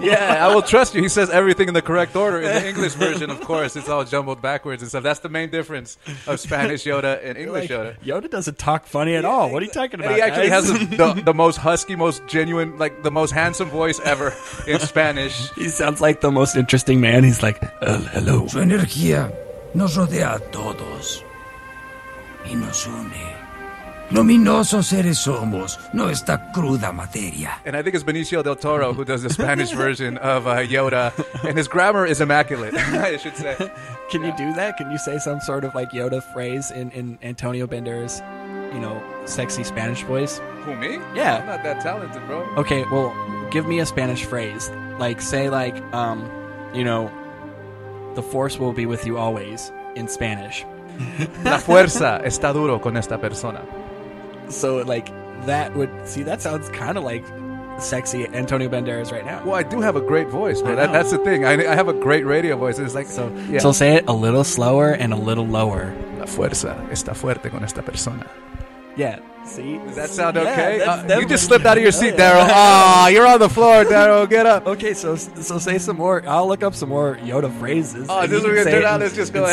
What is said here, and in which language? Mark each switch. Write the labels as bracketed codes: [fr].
[en] Yeah, I will trust you. He says everything in the correct order. In the English version, of course, it's all jumbled backwards and stuff. That's the main difference of Spanish Yoda and English Yoda. Yoda doesn't talk funny at all. What are you talking about, guys? He actually has the most husky, most genuine, like the most handsome voice ever in Spanish. He sounds like the most interesting man. He's like, hello. [es] Su energía nos rodea a todos. Y nos une. Luminosos seres somos, no esta cruda materia. [en] And I think it's Benicio del Toro who does the Spanish version of Yoda, and his grammar is immaculate, I should say. Can you do that? Can you say some sort of like Yoda phrase in Antonio Banderas, you know, sexy Spanish voice? Who, me? Yeah. I'm not that talented, bro. Okay, well, give me a Spanish phrase. Like, say like, you know, the force will be with you always in Spanish. [es] La fuerza está duro con esta persona. [en] So, like, that would... See, that sounds kind of like sexy Antonio Banderas right now. Well, I do have a great voice, but that's the thing. I have a great radio voice. It's like, So say it a little slower and a little lower. [es] La fuerza está fuerte con esta persona. [en] Yeah, see? Does that sound okay? You just slipped out of your seat, Daryl. Oh, you're on the floor, Daryl. Get up. Okay, so say some more. I'll look up some more Yoda phrases. Oh, this is what we're going to do now. Let's just go ahead.